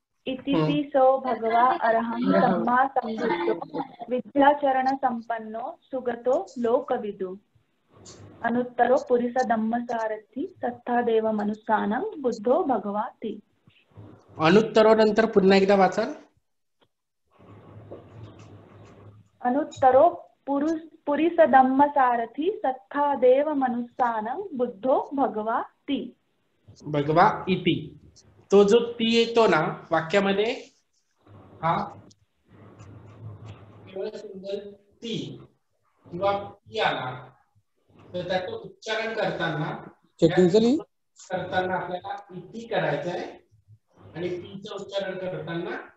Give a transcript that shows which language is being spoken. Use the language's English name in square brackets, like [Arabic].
[Pali] इतिपि सौ भगवा अरहं सम्मा संबुद्धो विद्याचरण संपन्नो सुगतो लोकविदु अनुत्तरो पुरिस धम्मसारथि तत्था देव मनुष्यानं बुद्धो भगवाति [Marathi] अनुत्तरो नंतर पुन्हा एकदा वाचन [Pali] अनुत्तरो पुरिस धम्मसारथि तत्था देव मनुष्यानं बुद्धो भगवाति [Marathi] भगवा इति तो जो ती येतो ना वाक्यामध्ये हा केवळ सुंदर ती किंवा ती आला तर त्याचं उच्चारण करताना करताना आपल्याला इति करायचं आहे आणि तीचं उच्चारण करताना